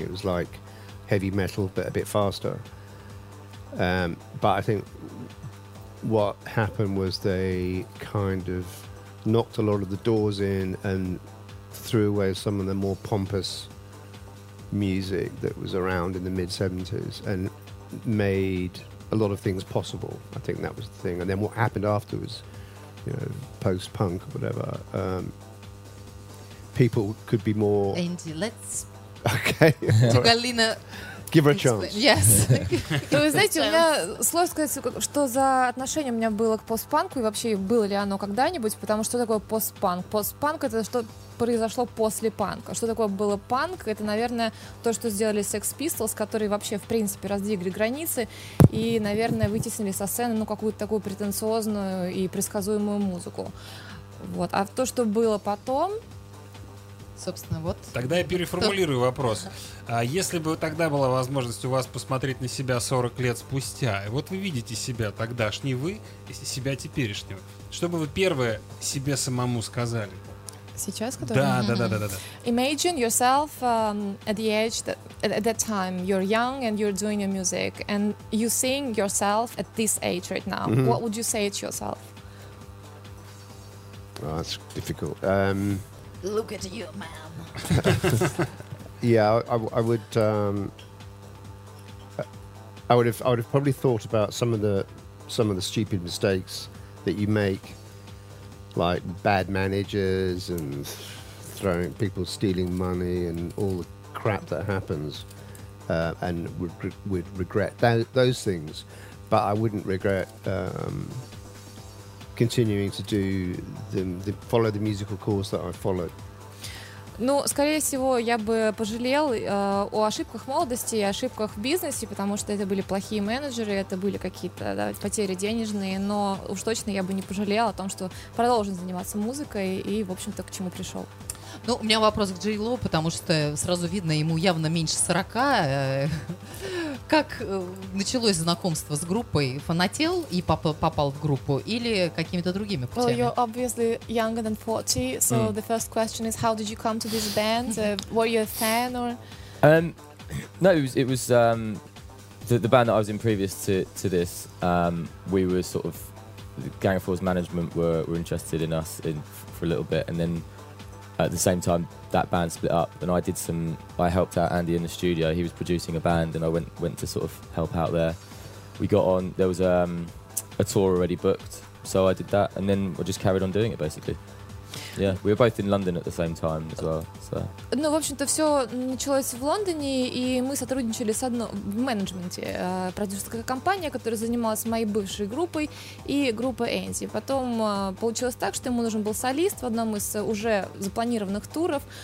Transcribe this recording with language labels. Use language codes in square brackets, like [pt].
[en] It was like heavy metal, but a bit faster. But I think what happened was they kind of knocked a lot of the doors in and threw away some of the more pompous music that was around in the mid-70s and made a lot of things possible. I think that was the thing. And then what happened afterwards, you know, post-punk or whatever, people could be more... Andy, let's... Okay. To Galina... Give her a chance. Yes. [ru] Вы знаете, у меня сложно сказать, что за отношение у меня было к постпанку и вообще было ли оно когда-нибудь, потому что такое постпанк? Постпанк — это что произошло после панка. Что такое было панк? Это, наверное, то, что сделали Sex Pistols, которые вообще, в принципе, раздвигли границы и, наверное, вытеснили со сцены какую-то такую претенциозную и предсказуемую музыку. Вот. А то, что было потом... Собственно, вот. Тогда я переформулирую вопрос. А если бы тогда была возможность у вас посмотреть на себя 40 лет спустя, вот вы видите себя тогдашний вы и себя теперешнего, что бы вы первое себе самому сказали? Сейчас, который? Да, mm-hmm. Да. [en] Imagine yourself at the age that, at that time you're young and you're doing your music and you seeing yourself at this age right now. Mm-hmm. What would you say to yourself? Oh, that's difficult. Look at you, man. Yeah, I would have probably thought about some of the stupid mistakes that you make, like bad managers and throwing people stealing money and all the crap that happens, and would regret those things. But I wouldn't regret continuing to do follow the musical course that I followed. [ru] Ну, скорее всего, я бы пожалел о ошибках молодости и ошибках в бизнесе, потому что это были плохие менеджеры, это были какие-то, да, потери денежные, но уж точно я бы не пожалел о том, что продолжил заниматься музыкой и, в общем-то, к чему пришел. Ну, у меня вопрос к Джей Ло, потому что сразу видно, ему явно меньше 40. как началось знакомство с группой? Фанател и попал в группу или какими-то другими путями? [en] Well, you're obviously younger than 40, so the first question is, how did you come to this band? Were you a fan or? No, it was the band that I was in previous to this. We were sort of Gang of Four's management were interested in us for a little bit, and then at the same time that band split up, and I helped out Andy in the studio. He was producing a band, and I went to sort of help out there. We got on. There was a tour already booked, so I did that, and then I just carried on doing it basically. Yeah, we were both in London at the same time as well. So. [ru] Ну, в общем-то, все началось в Лондоне, и мы сотрудничали с одной в менеджменте, продюсерская компания, которая занималась моей бывшей группой и группой Энди. Потом получилось так, что ему нужен был солист в одном из уже запланированных туров.